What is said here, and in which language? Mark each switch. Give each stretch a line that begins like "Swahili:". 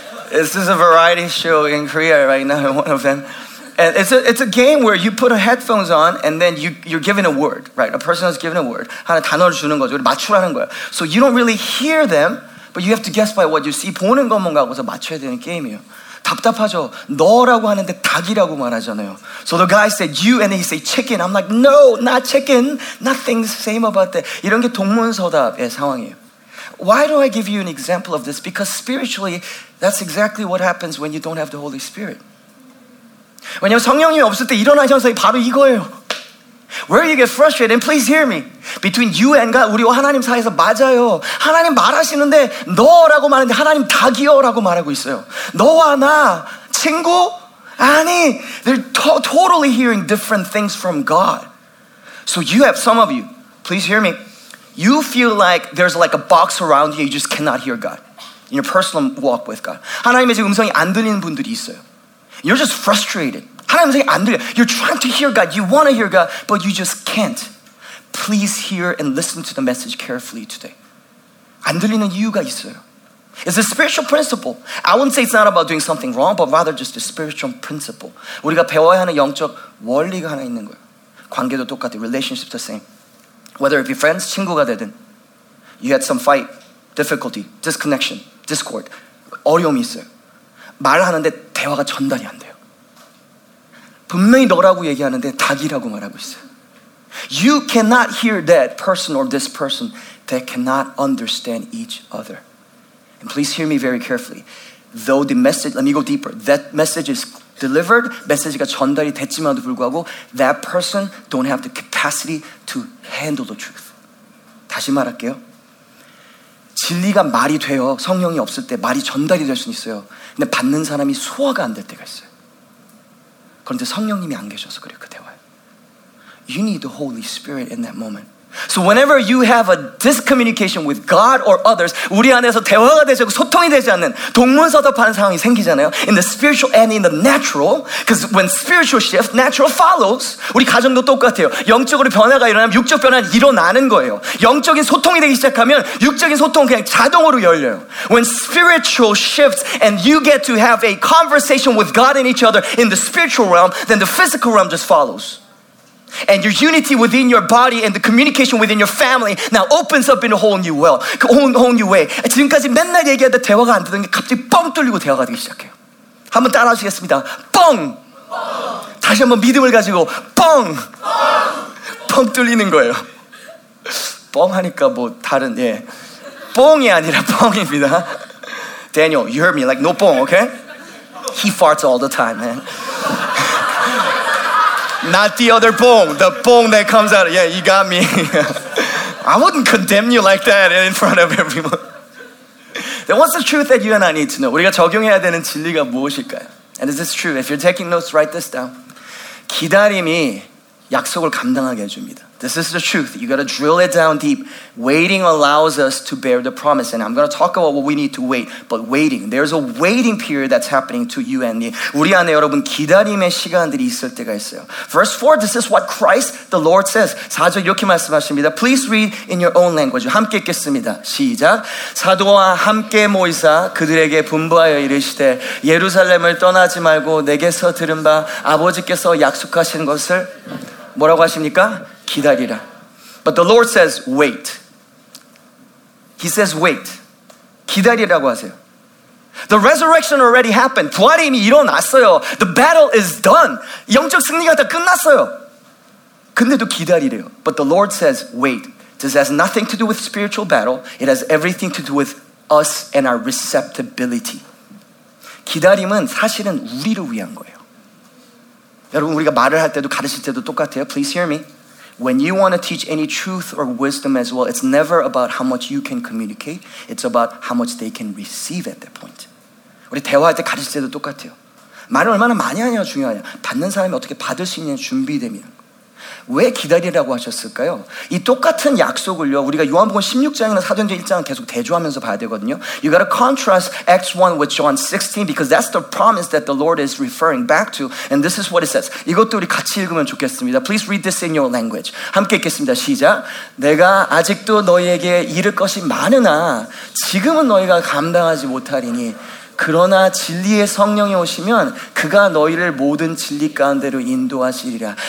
English: This is a variety show in Korea right now, one of them. And it's a game where you put a headphones on and then you're given a word, right? A person is given a word.
Korean: 하나 단어를 주는 거죠. 맞추라는 거야.
English: So you don't really hear them, but you have to guess by what you see.
Korean: 보는 것만 갖고서 맞춰야 되는 게임이에요. 답답하죠. 너라고 하는데 닭이라고 말하잖아요.
English: So the guy said you and he said chicken. I'm like, no, not chicken. Nothing's the same about that.
Korean: 이런 게 동문서답의 상황이에요.
English: Why do I give you an example of this? Because spiritually, that's exactly what happens when you don't have the Holy Spirit.
Korean: 왜냐면 성령님이 없을 때 일어난 현상이 바로 이거예요.
English: Where you get frustrated, and please hear me. Between you and God,
Korean: 우리와 하나님 사이에서 맞아요. 하나님 말하시는데 너라고 말하는데 하나님 닭이요라고 말하고 있어요. 너와 나, 친구? 아니,
English: they're totally hearing different things from God. So you have some of you, please hear me. You feel like there's like a box around you, you just cannot hear God. In your personal walk with God.
Korean: 하나님의 지금 음성이 안 들리는 분들이 있어요.
English: You're just frustrated.
Korean: 하나님의 음성이 안 들려.
English: You're trying to hear God. You want to hear God, but you just can't. Please hear and listen to the message carefully today.
Korean: 안 들리는 이유가 있어요.
English: It's a spiritual principle. I wouldn't say it's not about doing something wrong, but rather just a spiritual principle.
Korean: 우리가 배워야 하는 영적 원리가 하나 있는 거예요.
English: 관계도 똑같아요. Relationship the same. Whether it be friends,
Korean: 친구가 되든,
English: you had some fight, difficulty, disconnection, discord,
Korean: 어려움이 있어요. 말하는데 대화가 전달이 안 돼요. 분명히 너라고 얘기하는데 닭이라고 말하고 있어요.
English: You cannot hear that person or this person. They cannot understand each other. And please hear me very carefully. Though the message, let me go deeper. That message is delivered,
Korean: 메시지가 전달이 됐지만도 불구하고
English: that person don't have the capacity to handle the truth.
Korean: 다시 말할게요. 진리가 말이 돼요. 성령이 없을 때 말이 전달이 될 수는 있어요. 근데 받는 사람이 소화가 안 될 때가 있어요. 그런데 성령님이 안 계셔서 그래요, 그 대화에.
English: You need the Holy Spirit in that moment. So whenever you have a discommunication with God or others,
Korean: 우리 안에서 대화가 되지 않고 소통이 되지 않는 동문서답하는 상황이 생기잖아요.
English: In the spiritual and in the natural, because when spiritual shift, natural follows.
Korean: 우리 가정도 똑같아요. 영적으로 변화가 일어나면 육적 변화는 일어나는 거예요. 영적인 소통이 되기 시작하면 육적인 소통은 그냥 자동으로 열려요.
English: When spiritual shifts and you get to have a conversation with God and each other in the spiritual realm, then the physical realm just follows. And your unity within your body and the communication within your family now opens up in a whole new world, whole new way.
Korean: 지금까지 맨날 얘기하다 대화가 안 되던 게 갑자기 뻥 뚫리고 대화가 되기 시작해요. 한번 따라하시겠습니다. 뻥! 뻥! 다시 한번 믿음을 가지고 뻥! 뻥! 뻥 뚫리는 거예요. 뻥 하니까 뭐 다른, 예. 뻥이 아니라 뻥입니다.
English: Daniel, you heard me, like no 뻥, okay? He farts all the time, man. Not the other bong, the bong that comes out. Yeah, you got me. I wouldn't condemn you like that in front of everyone. Then what's the truth that you and I need to know?
Korean: 우리가 적용해야 되는 진리가 무엇일까요?
English: And is this true? If you're taking notes, write this down.
Korean: 기다림이 약속을 감당하게 해줍니다.
English: This is the truth. You got to drill it down deep. Waiting allows us to bear the promise. And I'm going to talk about what we need to wait. But waiting, there's a waiting period that's happening to you and me.
Korean: 우리 안에 여러분 기다림의 시간들이 있을 때가 있어요.
English: Verse 4, this is what Christ the Lord says.
Korean: 4절 이렇게 말씀하십니다.
English: Please read in your own language.
Korean: 함께 읽겠습니다. 시작. 사도와 함께 모이사 그들에게 분부하여 이르시되 예루살렘을 떠나지 말고 내게서 들은 바 아버지께서 약속하신 것을 뭐라고 하십니까? 기다리라.
English: But the Lord says, wait. He says, wait.
Korean: 기다리라고 하세요.
English: The resurrection already happened.
Korean: 부활이 이미 일어났어요.
English: The battle is done.
Korean: 영적 승리가 다 끝났어요. 근데도 기다리래요.
English: But the Lord says, wait. This has nothing to do with spiritual battle. It has everything to do with us and our receptibility.
Korean: 기다림은 사실은 우리를 위한 거예요. 여러분, 우리가 말을 할 때도 가르칠 때도 똑같아요.
English: Please hear me. When you want to teach any truth or wisdom as well, it's never about how much you can communicate. It's about how much they can receive at that point.
Korean: 우리 대화할 때 가르칠 때도 똑같아요. 말을 얼마나 많이 하냐가 중요하냐. 받는 사람이 어떻게 받을 수 있냐는 준비됩니다. 왜 기다리라고 하셨을까요? 이 똑같은 약속을요, 우리가 요한복음 16장이나 사도행전 1장을 계속 대조하면서 봐야 되거든요.
English: You gotta contrast Acts 1 with John 16 because that's the promise that the Lord is referring back to. And this is what it says.
Korean: 이것도 우리 같이 읽으면 좋겠습니다.
English: Please read this in your language.
Korean: 함께 읽겠습니다. 시작. 내가 아직도 너희에게 이를 것이 많으나 지금은 너희가 감당하지 못하리니 그러나 진리의 성령이 오시면 그가 너희를 모든 진리 가운데로 인도하시리라.